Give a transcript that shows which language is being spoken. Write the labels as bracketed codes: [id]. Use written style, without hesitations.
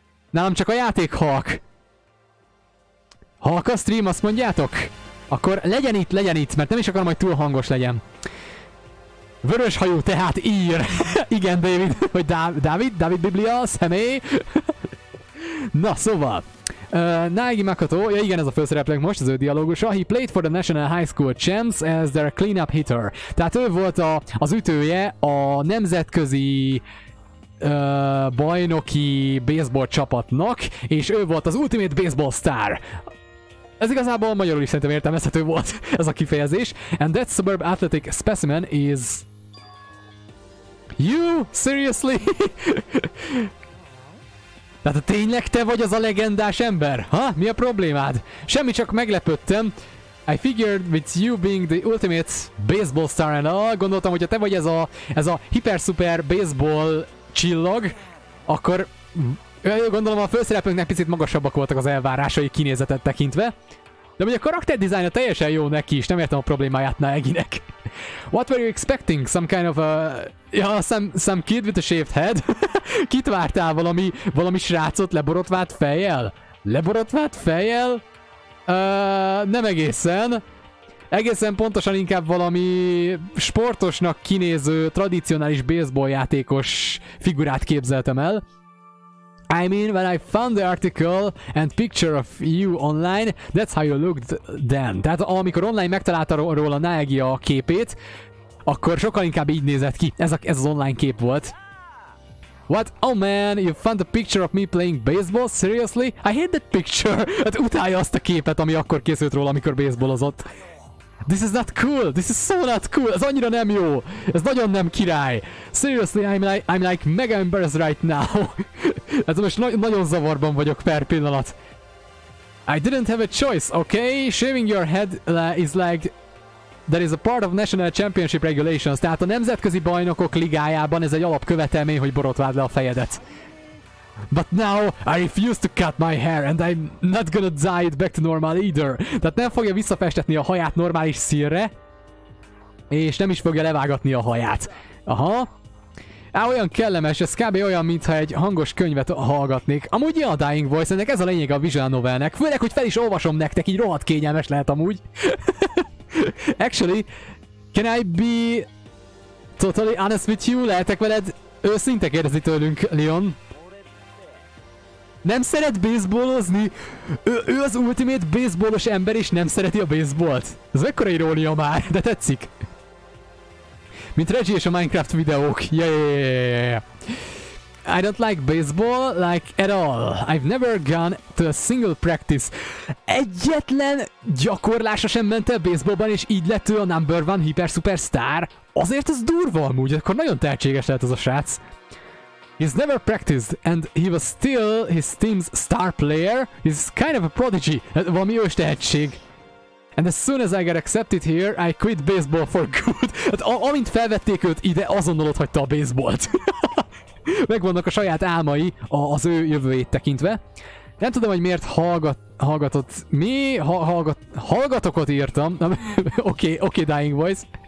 [hu] Nálam csak a játék halk. Halk a stream, azt mondjátok? Akkor legyen itt, mert nem is akarom, hogy túl hangos legyen. Vörös hajú, tehát ír. Igen, David, vagy David Biblia, személy. Na, szóval. Naegi Makoto, ja igen, ez a főszereplők most, az ő dialógusa. [en] He played for the National High School Champs as their cleanup hitter. [hu] Tehát ő volt az ütője a nemzetközi bajnoki baseball csapatnak, és ő volt az Ultimate Baseball Star. Ez igazából magyarul is szerintem értelmezhető volt ez a kifejezés. [en] And that suburb athletic specimen is... You? Seriously? [hu] Tehát tényleg te vagy az a legendás ember? Ha? Mi a problémád? Semmi, csak meglepődtem. [en] I figured with you being the ultimate baseball star and all, [hu] gondoltam, hogyha te vagy ez a hiper-super baseball csillag, akkor gondolom a főszereplőnknek picit magasabbak voltak az elvárásai kinézetet tekintve. De ugye a karakter dizájna teljesen jó neki is, nem értem a problémáját Naeginek. [en] What were you expecting? Some kind of a... some kid with a shaved head? [hu] Kit vártál valami srácot leborotvált fejjel? Leborotvált fejjel? Nem egészen. Egészen pontosan inkább valami sportosnak kinéző, tradicionális baseball játékos figurát képzeltem el. [en] I mean, when I found the article and picture of you online, that's how you looked then. [hu] Tehát amikor online megtalálta róla Naegi a képét, akkor sokkal inkább így nézett ki. Ez az online kép volt. [en] What? Oh man, you found a picture of me playing baseball? Seriously? I hate that picture! [hu] Hát utálja azt a képet, ami akkor készült róla, amikor baseballozott. [en] This is not cool! This is so not cool! [hu] Ez annyira nem jó! Ez nagyon nem király! [en] Seriously, I'm like mega embarrassed right now! [hu] Ez most nagyon zavarban vagyok per pillanat. [en] I didn't have a choice, okay? Shaving your head is like... There is a part of National Championship Regulations, [hu] tehát a Nemzetközi Bajnokok Ligájában ez egy alapkövetelmény, hogy borotvád le a fejedet. [en] But now, I refuse to cut my hair and I'm not gonna dye it back to normal either. [hu] Tehát nem fogja visszafestetni a haját normális színre, és nem is fogja levágatni a haját. Aha. Á, olyan kellemes, ez kb. Olyan, mintha egy hangos könyvet hallgatnék. Amúgy ilyen a Dying Voice, ennek ez a lényeg a Visual Novelnek. Főleg, hogy fel is olvasom nektek, így rohadt kényelmes lehet amúgy. [en] Actually, can I be totally honest with you? [hu] Lehetek veled őszinte kérdezni tőlünk, Leon? Nem szeret baseballozni? Ő az ultimate baseballos ember és nem szereti a baseballt. Ez mekkora irónia már, de tetszik. Mint Reggie és a Minecraft videók. [en] Yeah. I don't like baseball, like, at all. I've never gone to a single practice. [hu] Egyetlen gyakorlása sem ment el baseballban, és így lett ő a number one hiper superstar. Azért ez durva amúgy, akkor nagyon tehetséges lehet az a srác. [en] He's never practiced, and he was still his team's star player. He's kind of a prodigy. [hu] Valami ős tehetség. [en] And as soon as I got accepted here, I quit baseball for good. [hu] Hát amint felvették őt ide, azonnal ott hagyta a baseballt. Megvannak a saját álmai az ő jövőjét tekintve. Nem tudom, hogy miért hallgatott... Mi? Hallgatokot írtam. Oké, Dying Voice.